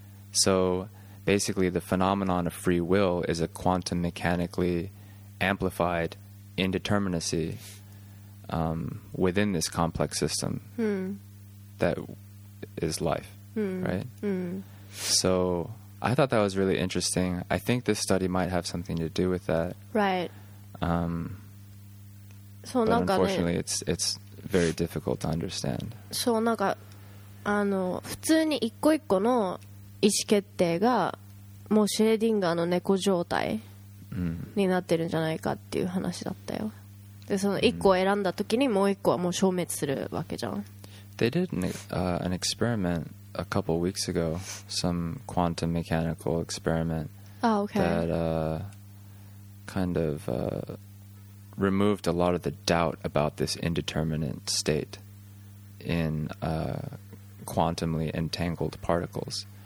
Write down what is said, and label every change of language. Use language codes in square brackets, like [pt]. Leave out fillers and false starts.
[en] So, basically, the phenomenon of free will is a quantum mechanically amplified indeterminacy within this complex system that is life, right? So, I thought that was really interesting. I think this study might have something to do with that. Right. So, but unfortunately, it's very difficult to understand. [ja] So, なんか、あの、普通に一個一個の意思決定がもうシュレディンガーの猫状態になってるんじゃないかっていう話だったよ。で、その1個を選んだ時にもう1個はもう消滅するわけじゃん。 [en] They did an experiment a couple weeks ago, some quantum mechanical experiment that kind of removed a lot of the doubt about this indeterminate state in quantumly entangled particles.